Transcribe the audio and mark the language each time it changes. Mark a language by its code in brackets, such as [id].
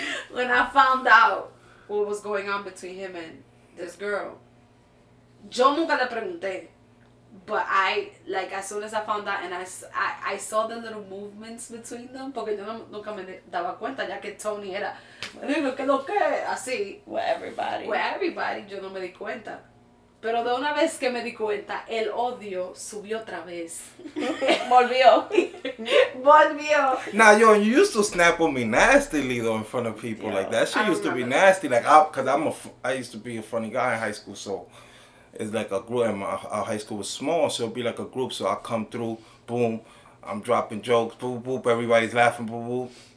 [en] When I found out what was going on between him and this girl, [es] yo nunca le pregunté. [en] But I, like, as soon as I found out and I saw the little movements between them, [es] porque yo nunca me daba cuenta, ya que Tony era, ¿qué lo que? Así. [en] With everybody, [es] yo no me di cuenta. Pero de una vez que me di cuenta, el odio subió otra vez. Volvió. [en] Now, yo, you used to snap on me nastily, though, in front of people. Yo, like, that shit used to be nasty. That. Like, I used to be a funny guy in high school, so it's like a group, and our high school was small, so it'd be like a group. So I come through, boom, I'm dropping jokes, boop, boop, everybody's laughing, boop, boop.